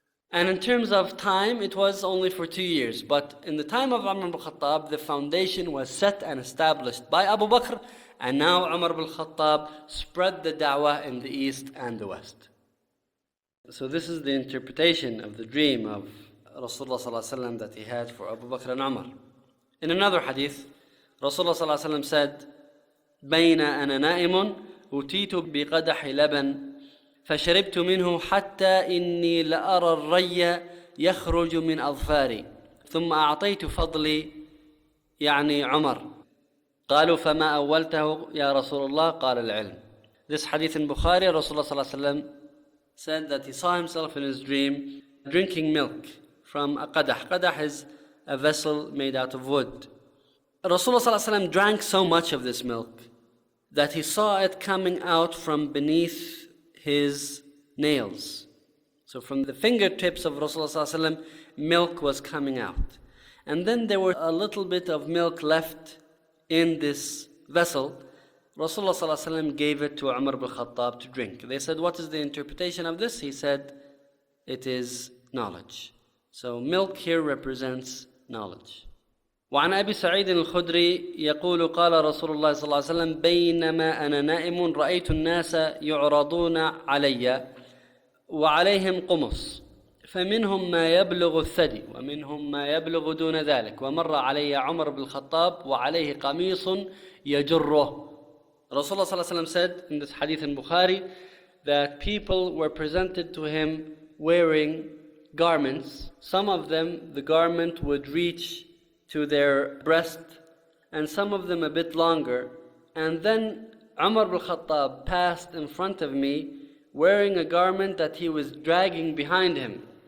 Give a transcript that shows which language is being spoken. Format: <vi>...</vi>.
<en>And in terms of time, it was only for 2 years. But in the time of Umar bin Khattab, the foundation was set and established by Abu Bakr. And now Umar bin Khattab spread the da'wah in the East and the West. So this is the interpretation of the dream of Rasulullah صلى الله عليه وسلم that he had for Abu Bakr and Umar. In another hadith, Rasulullah صلى الله عليه وسلم said,</en> <ar>بين أنا نائم أتيت بقدح لبن فشربت منه حتى إني لأرى الري يخرج من أظفاري، ثم أعطيت فضلي يعني عمر. قالوا: فما أولته يا رسول الله؟ قال: العلم.</ar> <en>This hadith in Bukhari, Rasulullah sallallahu alayhi wa sallam said that he saw himself in his dream drinking milk from a qadah. Qadah is a vessel made out of wood. Rasulullah sallallahu alayhi wa sallam drank so much of this milk that he saw it coming out from beneath his nails. So from the fingertips of Rasulullah sallallahu alayhi wa sallam, milk was coming out. And then there were a little bit of milk left in this vessel. Rasulullah sallallahu alayhi wa sallam gave it to Umar ibn al-Khattab to drink. They said, what is the interpretation of this? He said, it is knowledge. So milk here represents knowledge.</en> <ar>وعن أبي سعيد الخدري يقول قال رسول الله صلى الله عليه وسلم بينما أنا نائم رأيت الناس يعرضون علي وعليهم قمص فمنهم ما يبلغ الثدي ومنهم ما يبلغ دون ذلك ومر علي عمر بن الخطاب وعليه قميص يجره.</ar> <en>رسول الله صلى الله عليه وسلم said in this hadith in Bukhari that people were presented to him wearing garments. Some of them the garment would reach to their breast, and some of them a bit longer. And then Umar ibn al-Khattab passed in front of me wearing a garment that he was dragging behind him.</en>